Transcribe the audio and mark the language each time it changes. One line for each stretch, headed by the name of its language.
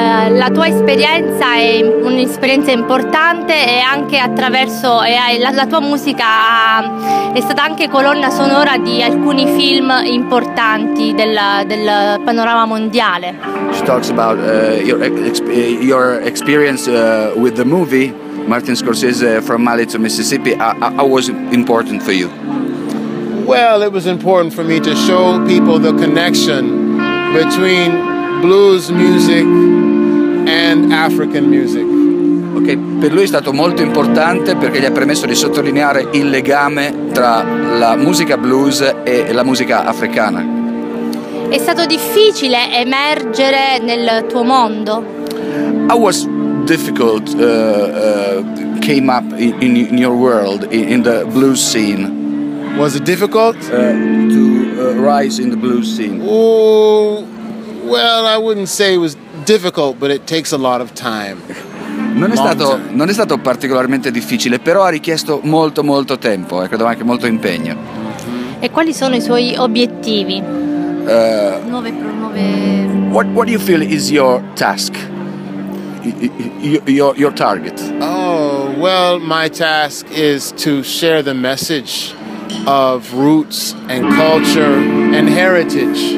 Italian: La tua esperienza è un'esperienza importante, e anche attraverso la tua musica è stata anche colonna sonora di alcuni film importanti del panorama mondiale.
English: She talks about your experience with the movie Martin Scorsese, From Mali to Mississippi. How was it important for you? Well, it was important for me to show people the connection between blues music and African music.
Italian: Okay, per lui è stato molto importante perché gli ha permesso di sottolineare il legame tra la musica blues e la musica africana. È stato difficile emergere nel tuo mondo?
English: How was difficult came up in your world, in the blues scene? Was it difficult to rise in the blues scene? Oh, well, I wouldn't say it was difficult, but it takes a lot of time.
Italian: Non è stato particolarmente difficile, però ha richiesto molto molto tempo e credo anche molto impegno. E quali sono i suoi obiettivi?
English: What do you feel is your task? Your target? Oh, well, my task is to share the message of roots and culture and heritage.